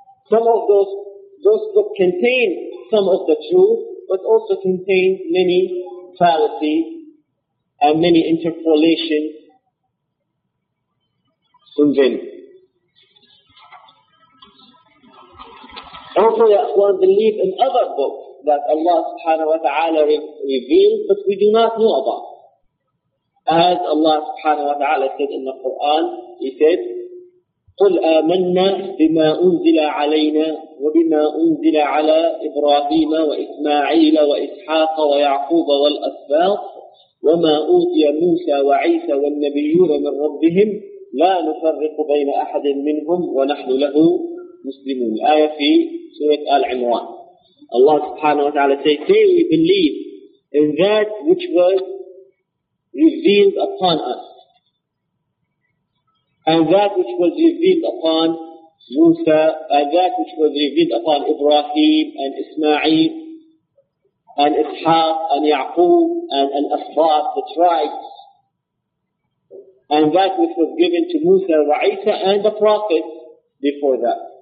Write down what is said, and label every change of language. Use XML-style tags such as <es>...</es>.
<en>Some of those books contain some of the truth, but also contain many fallacies and many interpolations from them. Also, the Ikhwan believe in other books that Allah subhanahu wa ta'ala revealed, but we do not know about. As Allah subhanahu wa ta'ala said in the Quran, He said,</en> <ar>قُلْ آمَنَّا بِمَا أُنْزِلَ عَلَيْنَا وَبِمَا أُنْزِلَ عَلَى إِبْرَاهِيمَ وَإِسْمَاعِيلَ وَإِسْحَاقَ وَيَعْقُوبَ وَالْأَسْبَاطِ وَمَا أُوتِيَ مُوسَى وَعِيسَى وَالنَّبِيُّونَ مِنْ رَبِّهِمْ لَا نُفَرِّقُ بَيْنَ أَحَدٍ مِنْهُمْ وَنَحْنُ لَهُ مُسْلِمُونَ. آية في سورة آل عمران.</ar> <en>Allah subhanahu wa ta'ala says, say we believe in that which was revealed upon us and that which was revealed upon Musa, and that which was revealed upon Ibrahim and Ismail and Ishaq and Yaqub and Asbat, the tribes, and that which was given to Musa and Isa and the prophets before that.</en>